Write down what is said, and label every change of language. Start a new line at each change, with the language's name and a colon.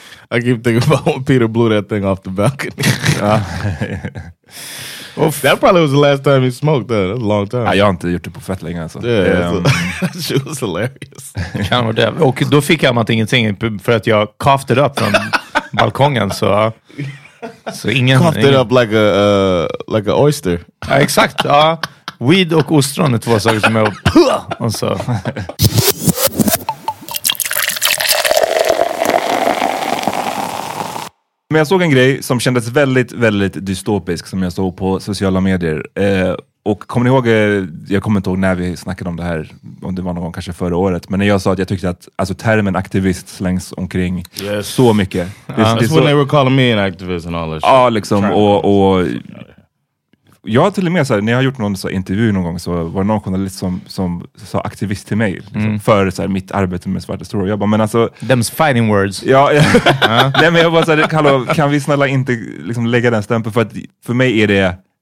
English: I keep thinking about when Peter blew that thing off the balcony. That probably was the last time he smoked, though. That's a long time.
Swedish: Jag har inte gjort det på fett länge, alltså.
English: Yeah, it was hilarious.
Swedish: Kan vara det. Och då fick jag mig ingenting, för att jag
English: coughed it up
Swedish: från balkongen, så...
English: So ingen, coughed it up like a oyster.
Swedish: Exakt, ja. Weed och ostron är två saker som jag... Och så... Men jag såg en grej som kändes väldigt, väldigt dystopisk, som jag såg på sociala medier. Och kommer ni ihåg, jag kommer inte ihåg när vi snackade om det här, om det var någon gång kanske förra året, men när jag sa att jag tyckte att alltså termen aktivist slängs omkring så mycket.
English: That's when they were calling me an activist and all that shit.
Swedish: Ja, liksom, och jag till och med, så här, när jag har gjort någon så här, intervju någon gång, så var det någon journalist som sa aktivist till mig, liksom, för så här, mitt arbete med svarta stora. Jag bara, men alltså...
English: Them's fighting words.
Swedish: Ja, Nej, men jag bara, så här, hallå, kan vi snälla inte liksom, lägga den stämpeln, för mig är det...